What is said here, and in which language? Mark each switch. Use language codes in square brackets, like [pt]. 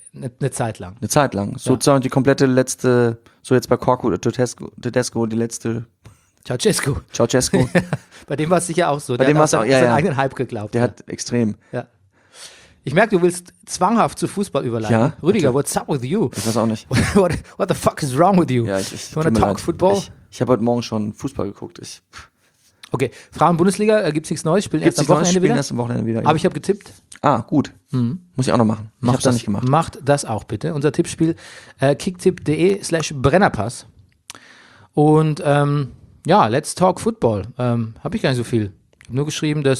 [de] Eine Zeit lang. Eine Zeit lang. Sozusagen die komplette letzte, so jetzt bei Korku oder Tedesco, die letzte. Ciao Cesco. Bei dem war es sicher auch so. Bei dem war es auch, seinen eigenen Hype geglaubt. Der hat extrem. Ja. Ich merke, du willst zwanghaft zu Fußball überleiten. Ja, [en] Rüdiger, what's up with you? [de] Ich weiß auch nicht. [en] What the fuck is wrong with you? [de] Ja, [en] you wanna talk Football? [de] Ich habe heute Morgen schon Fußball geguckt. Okay, Frauen-Bundesliga, gibt es nichts Neues? Spielen erst am Wochenende wieder. Aber ich habe getippt. Ah, gut. Mhm. Muss ich auch noch machen. Ich habe es nicht gemacht. Macht das auch bitte. Unser Tippspiel kicktipp.de/Brennerpass. Und [en] let's talk Football. [de] Habe ich gar nicht so viel. Ich habe nur geschrieben, dass...